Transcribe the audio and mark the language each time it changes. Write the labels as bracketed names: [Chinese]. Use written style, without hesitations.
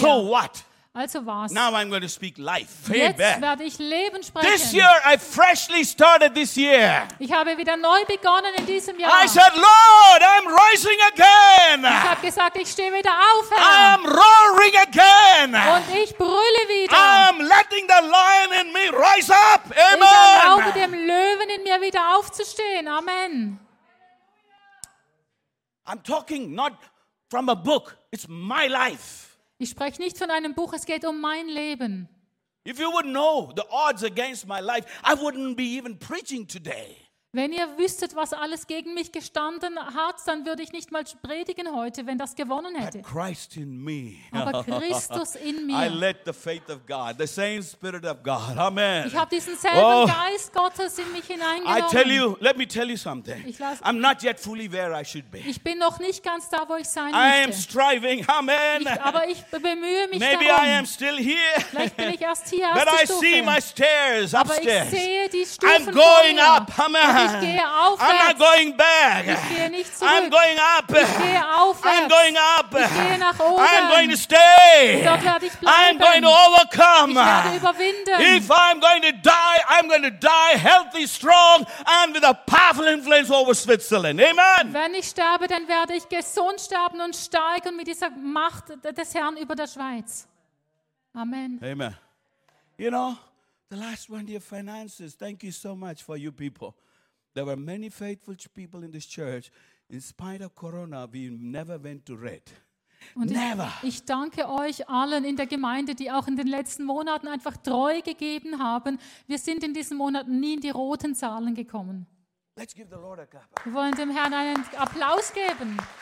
[English] So what? [German] Also was? [English] Now I'm going to speak life. [German] Hey, jetzt bad. Werde ich Leben sprechen. [English] This year I freshly started this year. [German] Ich habe wieder neu begonnen in diesem Jahr. [English] I said, Lord, I'm rising again. [German] Ich habe gesagt, ich stehe wieder auf, Herr. [English] I'm roaring again. [German] Und ich brülle wieder. [English] I'm letting the lion in me rise up. Amen. [German] Ich erlaube dem Löwen in mir wieder aufzustehen. Amen. [English] I'm talking not from a book. It's my life. [German] Ich spreche nicht von einem Buch, es geht um mein Leben. [English] If you would know the odds against my life, I wouldn't be even preaching today. [German] Wenn ihr wüsstet, was alles gegen mich gestanden hat, dann würde ich nicht mal predigen heute, wenn das gewonnen hätte. [English] Christ in me. [German] Aber Christus in mir. [English] I let the faith of God, the same Spirit of God. Amen. [German] Ich habe diesen selben Geist Gottes in mich hineingenommen. [English] I tell you, let me tell you something. I'm not yet fully where I should be. [German] Ich bin noch nicht ganz da, wo ich sein möchte. [English] I am striving. Amen. [German] Aber ich bemühe mich [English] Maybe [German] darum. [English] I am still here. [German] Vielleicht bin ich erst hier. [English] But I see my stairs upstairs. [German] Aber ich sehe die Stufen. [English] I'm going up. Amen. [German] Ich gehe aufwärts. [English] I'm not going back. [German] Ich gehe nicht zurück. [English] I'm going up. [German] Ich gehe aufwärts. [English] I'm going up. [German] Ich gehe nach oben. [English] I'm going to stay. [German] Dort werde ich bleiben. [English] I'm going to overcome. [German] Ich werde überwinden. [English] If I'm going to die, I'm going to die healthy, strong and with a powerful influence over Switzerland. Amen. [German] Wenn ich sterbe, dann werde ich gesund sterben und stark und mit dieser Macht des Herrn über der Schweiz. [English] Amen. Amen. You know, the last one, your finances. Thank you so much for you people. There were many faithful people in this church. In spite of Corona, we never went to red. [German] Und [English] never. [German] Ich danke euch allen in der Gemeinde, die auch in den letzten Monaten einfach treu gegeben haben. Wir sind in diesen Monaten nie in die roten Zahlen gekommen. Let's give the Lord a clap. Wir wollen dem Herrn einen Applaus geben.